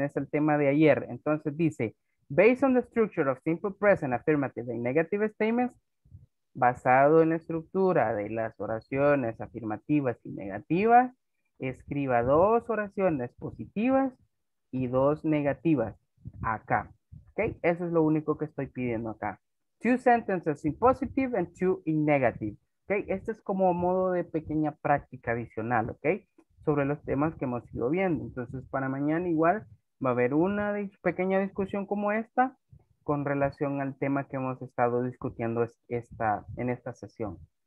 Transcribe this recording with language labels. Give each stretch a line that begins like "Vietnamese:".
Spanish: Es el tema de ayer. Entonces dice,
English: based on the structure of simple present, affirmative and negative statements,
Spanish: basado en la estructura de las oraciones afirmativas y negativas, escriba dos oraciones positivas y dos negativas acá. ¿Okay? Eso es lo único que estoy pidiendo acá.
English: Two sentences in positive and two in negative. Okay.
Spanish: Este es como modo de pequeña práctica adicional, ¿ok? Sobre los temas que hemos ido viendo. Entonces, para mañana igual va a haber una pequeña discusión como esta con relación al tema que hemos estado discutiendo en esta sesión.